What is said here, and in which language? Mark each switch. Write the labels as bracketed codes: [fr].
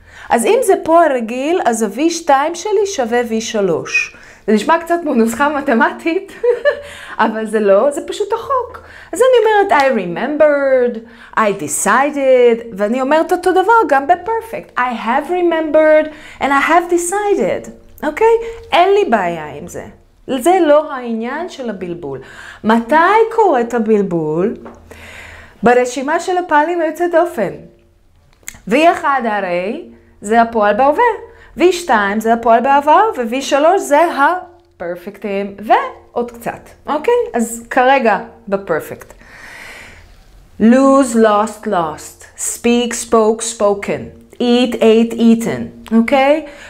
[he] אז אם זה פועל רגיל, אז ה-V2 שלי שווה V3. זה נשמע קצת כמו נוסחה מתמטית, אבל זה לא, זה פשוט החוק. אז אני אומרת, [en] I remembered, I decided, [he] ואני אומרת אותו דבר גם בפרפקט. [en] I have remembered and I have decided, אוקיי? [he] אין לי בעיה עם זה. זה לא העניין של הבלבול. מתי קורה את הבלבול? ברשימה של הפעלים היוצא דופן. V1 הרי... זה הפועל בהווה, V2 זה הפועל בעבר, ו-V3 זה ה-perfectים, ועוד קצת, אוקיי? אז כרגע ב-perfect. [en] Lose, lost, lost. Speak, spoke, spoken. Eat, ate, eaten, אוקיי?